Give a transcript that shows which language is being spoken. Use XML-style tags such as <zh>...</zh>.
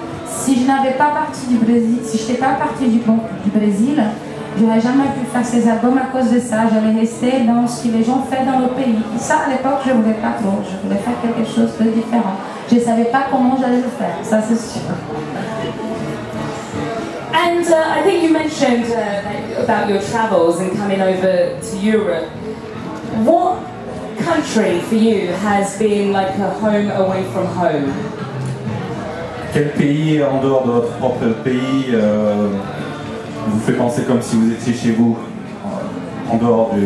<fr>Si je n'avais pas parti du Brésil, si je n'étais pas parti du Brésil, j'aurais jamais pu faire ces albums à cause de ça. J'allais rester dans ce que les gens font dans le pays. Et ça, à l'époque, je ne voulais pas trop. Je voulais faire quelque chose de différent. Je ne savais pas comment j'allais le faire. Ça, c'est sûr.</fr> <en>And I think you mentioned about your travels and coming over to Europe. What country for you has been like a home away from home?</en> <fr>Quel pays en dehors de votre propre pays vous fait penser comme si vous étiez chez vous, en dehors du</fr>